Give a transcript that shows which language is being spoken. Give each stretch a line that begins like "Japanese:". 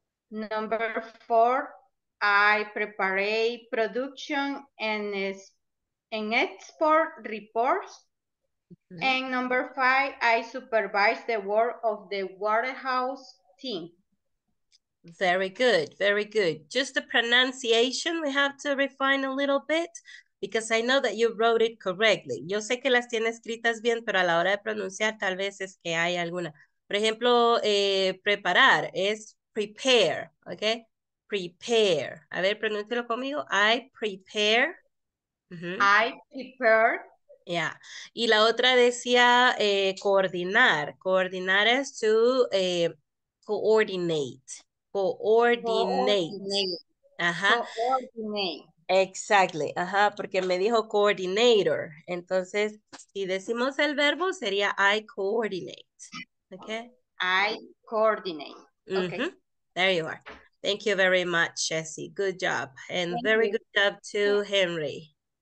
English: Number four, I prepare production and export reports. Mm-hmm. And number five, I supervise the work of the warehouse team. Very good, very good. Just the pronunciation we have to refine a little bit because I know that you wrote it correctly.
Spanish: Yo sé que las tiene escritas bien, pero a la hora de pronunciar tal vez es que hay alguna. Por ejemplo, preparar es prepare, okay? Prepare. A ver, pronúncelo conmigo.
English: I prepare. Uh-huh. I prepare. Yeah.
Spanish: Y la otra decía coordinar. Coordinar es to coordinate.
English: Coordinate. Ajá. Coordinate. Exactly.
Spanish: Ajá, porque me dijo coordinator. Entonces, si decimos el verbo, sería
English: I coordinate. Okay. I coordinate. Mm-hmm. Okay. There you are. Thank you very much, Jesse. Good job. And thank very you. Good job to Henry.